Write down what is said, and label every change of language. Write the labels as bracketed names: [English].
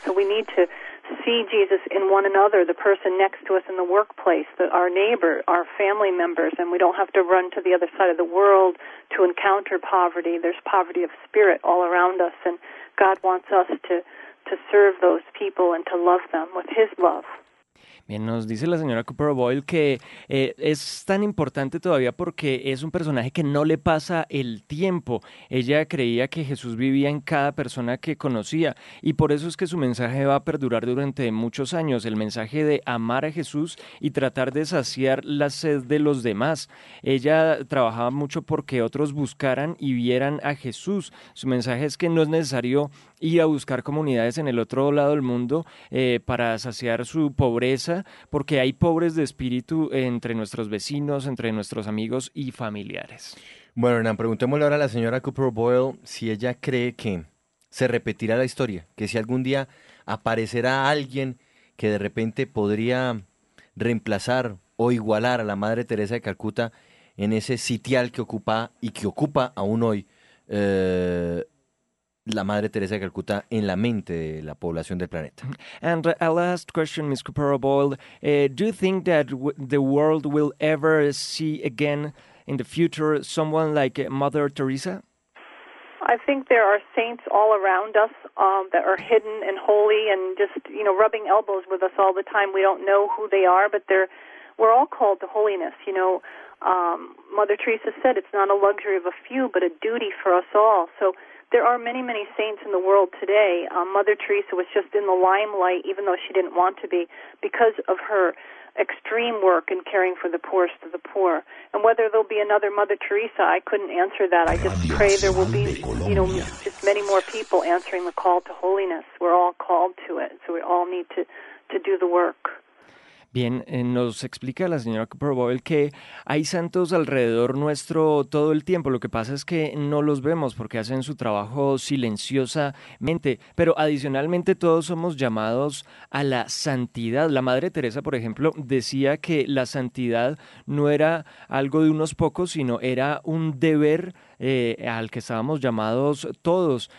[English] So we need to see Jesus in one another, the person next to us in the workplace, our neighbor, our family members, and we don't have to run to the other side of the world to encounter poverty. There's poverty of spirit all around us, and God wants us to serve those people and to love them with his love. [Spanish] Bien, nos dice la señora Cooper O'Boyle que es tan importante todavía porque es un personaje que no le pasa el tiempo. Ella creía que Jesús vivía en cada persona que conocía y por eso es que su mensaje va a perdurar durante muchos años, el mensaje de amar a Jesús y tratar de saciar la sed de los demás. Ella trabajaba mucho porque otros buscaran y vieran a Jesús. Su mensaje es que no es necesario ir a buscar comunidades en el otro lado del mundo para saciar su pobreza, porque hay pobres de espíritu entre nuestros vecinos, entre nuestros amigos y familiares. Bueno, Hernán, preguntémosle ahora a la señora Cooper Boyle si ella cree que se repetirá la historia, que si algún día aparecerá alguien que de repente podría reemplazar o igualar a la Madre Teresa de Calcuta en ese sitial que ocupa y que ocupa aún hoy la Madre Teresa de Calcuta en la mente de la población del planeta. [English] And a last question, Ms. Cooper-Boyle. Do you think that the world will ever see again in the future someone like Mother Teresa? I think there are saints all around us that are hidden and holy and just, you know, rubbing elbows with us all the time. We don't know who they are, but we're all called to holiness. You know, Mother Teresa said it's not a luxury of a few, but a duty for us all. So there are many, many saints in the world today. Mother Teresa was just in the limelight, even though she didn't want to be, because of her extreme work in caring for the poorest of the poor. And whether there'll be another Mother Teresa, I couldn't answer that. I just pray there will be, you know, just many more people answering the call to holiness. We're all called to it, so we all need to do the work. [Spanish] Bien, nos explica la señora Cooper-Boyle que hay santos alrededor nuestro todo el tiempo, lo que pasa es que no los vemos porque hacen su trabajo silenciosamente, pero adicionalmente todos somos llamados a la santidad. La Madre Teresa, por ejemplo, decía que la santidad no era algo de unos pocos, sino era un deber al que estábamos llamados todos.